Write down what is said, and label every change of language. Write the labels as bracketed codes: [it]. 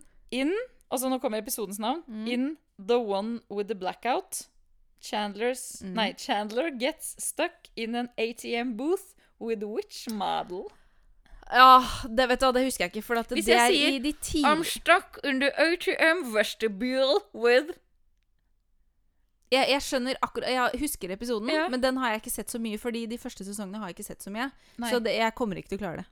[no] In, altså nå kommer episodens navn. [en] Mm. In the one with the blackout. Chandler's, mm. nei, Chandler gets stuck in an ATM booth with which model? [no] Ja, det vet du, det husker jeg ikke, for at det er sier, i de ti... [en] I'm stuck in the ATM vestibule with... [no] Jeg skjønner akkurat, jeg husker episoden, ja. Men den har jeg ikke sett så mye, fordi de første sesongene har jeg ikke sett så mye. Nei. Så det, jeg kommer ikke til å klare det.